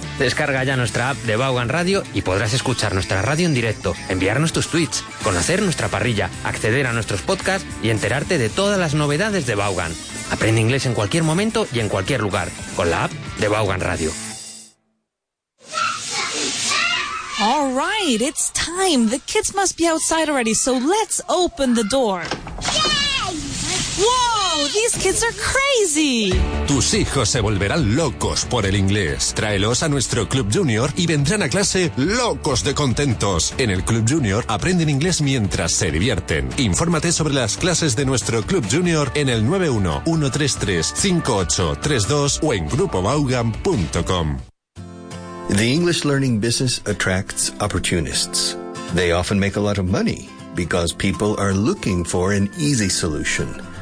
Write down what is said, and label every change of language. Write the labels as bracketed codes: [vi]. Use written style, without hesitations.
[es] Descarga ya nuestra app de Vaughan Radio y podrás escuchar nuestra radio en directo, enviarnos tus tweets, conocer nuestra parrilla, acceder a nuestros podcasts y enterarte de todas las novedades de Vaughan. Aprende inglés en cualquier momento y en cualquier lugar con la app de Vaughan Radio. [en] All right, it's time. The kids must be outside already, so let's open the door. ¡Wow! ¡These kids are crazy! [es] Tus hijos se volverán locos por el inglés. Tráelos a nuestro Club Junior y vendrán a clase locos de contentos. En el Club Junior aprenden inglés mientras se divierten. Infórmate sobre las clases de nuestro Club Junior en el 91-133-5832 o en grupovaughan.com. [en] The English learning business attracts opportunists. They often make a lot of money because people are looking for an easy solution.